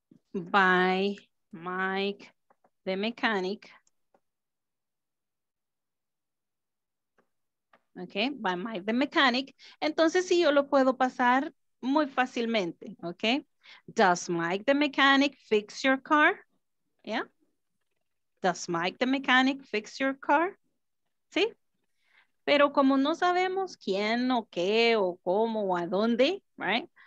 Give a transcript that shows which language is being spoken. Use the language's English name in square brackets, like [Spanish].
[English] By Mike the Mechanic. Okay, by Mike the Mechanic. [Spanish] Entonces sí, yo lo puedo pasar muy fácilmente. [English] Okay, does Mike the Mechanic fix your car? Yeah, does Mike the Mechanic fix your car? [Spanish] Sí, pero como no sabemos quién o qué o cómo o a dónde, right?